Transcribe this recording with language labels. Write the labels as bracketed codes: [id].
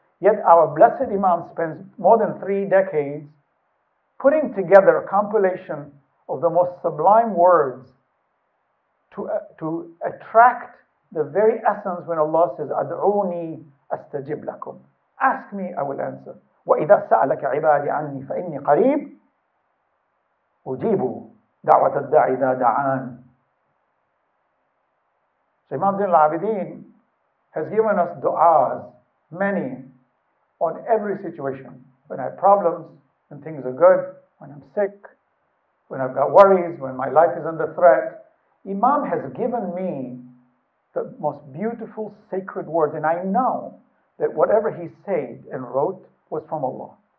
[en] Yet our blessed Imam spends more than 3 decades putting together a compilation of the most sublime words to attract the very essence when Allah says, [ar] أَدْعُونِي أَسْتَجِبْ لَكُمْ. [en] Ask me, I will answer. [ar] وَإِذَا سَأَلَكَ عِبَادِي عَنِّي فَإِنِّي قَرِيبٌ أُجِيبُ دَعْوَةَ الدَّاعِ إِذَا دَعَانِ. [en] So Imam Zain al-Abidin has given us du'as, many, on every situation. When I have problems, when things are good, when I'm sick, when I've got worries, when my life is under threat. Imam has given me the most beautiful sacred words, and I know that whatever he said and wrote was from Allah.